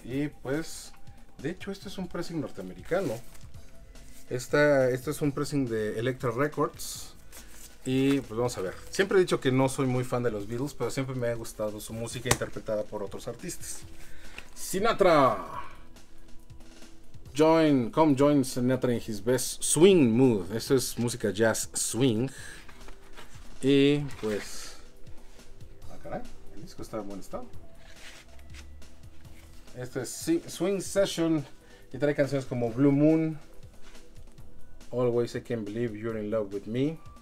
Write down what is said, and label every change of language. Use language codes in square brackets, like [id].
[es] Y pues, de hecho, esto es un pressing norteamericano. Esto es un pressing de Elektra Records. Y pues vamos a ver. Siempre he dicho que no soy muy fan de los Beatles, pero siempre me ha gustado su música interpretada por otros artistas. Sinatra. [en] Come join Sinatra in his best swing mood. [es] Esto es música jazz swing. Y pues, caray, el disco está en buen estado. Esto es Swing Session. Y trae canciones como Blue Moon, Always I Can't Believe You're in Love with Me.